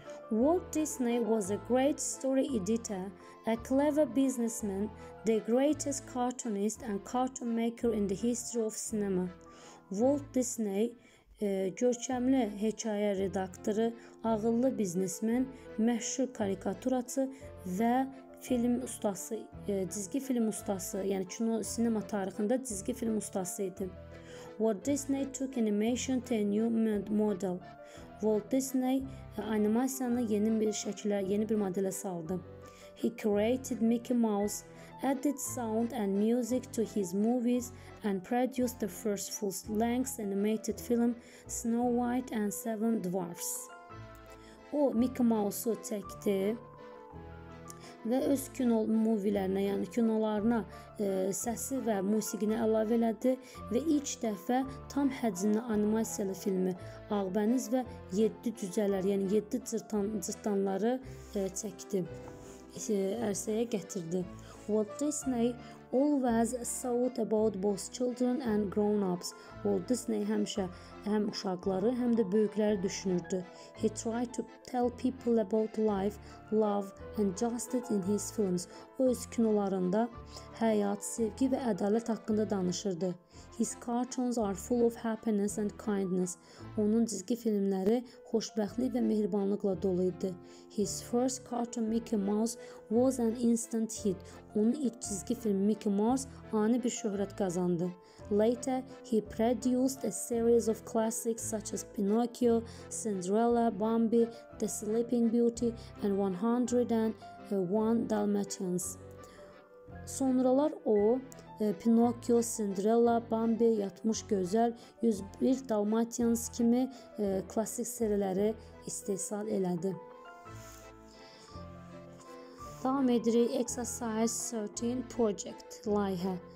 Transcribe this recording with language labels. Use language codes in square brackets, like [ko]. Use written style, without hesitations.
[en] Walt Disney was a great story editor, a clever businessman, the greatest cartoonist and cartoon maker in the history of cinema. [az] Walt Disney, görkəmli hekayə redaktoru, ağıllı biznesmen, məşhur karikaturacı və film ustası, cizgi film ustası, yəni kino sinema tarixində cizgi film ustası idi. [en] Walt Disney took animation to a new model. [az] Walt Disney animasiyanı yeni bir şəkilə, yeni bir modelə saldı. [en] He created Mickey Mouse, added sound and music to his movies and produced the first full-length animated film Snow White and Seven Dwarfs. [az] O Mickey Mouse'u çəkdi və öz kino movie-lərinə, yəni kinolarına səsi və musiqini əlavə elədi və ilk dəfə tam həcmli animasiyalı filmi Ağbəniz və 7 cücələr, yəni 7 cırtdanları çəkdi, ərsəyə gətirdi. [en] Walt Disney always thought about both children and grown-ups. [az] Walt Disney həmişə həm uşaqları, həm də böyükləri düşünürdü. [en] He tried to tell people about life, love and justice in his films. [az] O, öz kinolarında həyat, sevgi və ədalət haqqında danışırdı. [en] His cartoons are full of happiness and kindness. [az] Onun cizgi filmləri xoşbəxtlik və mehribanlıqla dolu idi. [en] His first cartoon Mickey Mouse was an instant hit. [az] Onun ilk cizgi filmi Mickey Mouse ani bir şöhrət kazandı. [en] Later, he produced a series of classics such as Pinocchio, Cinderella, Bambi, The Sleeping Beauty and 101 Dalmatians. [az] Sonralar o, Pinocchio, Cinderella, Bambi, Yatmış Gözəl, 101 Dalmatians kimi klassik seriləri istehsal elədi. Davam edirik. [en] Exercise 13 Project [az] layihə.